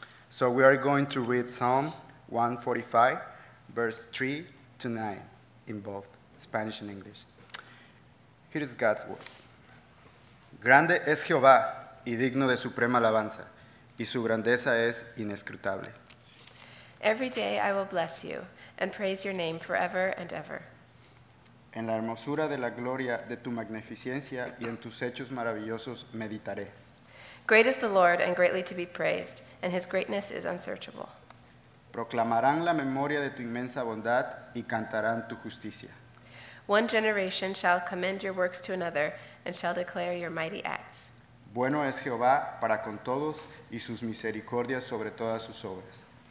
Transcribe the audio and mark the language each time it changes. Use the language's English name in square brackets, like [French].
[English] So we are going to read Psalm 145, verse 3 to 9, in both Spanish and English. Here is God's word. [Spanish] Grande es Jehová y digno de suprema alabanza, y su grandeza es inescrutable. [English] Every day I will bless you and praise your name forever and ever. [Spanish] En la hermosura de la gloria de tu magnificencia y en tus hechos maravillosos meditaré. [English] Great is the Lord and greatly to be praised, and his greatness is unsearchable. [Spanish] Proclamarán la memoria de tu inmensa bondad y cantarán tu justicia. [English] One generation shall commend your works to another and shall declare your mighty acts. [Spanish] Bueno es Jehová para con todos y sus misericordias sobre todas sus obras.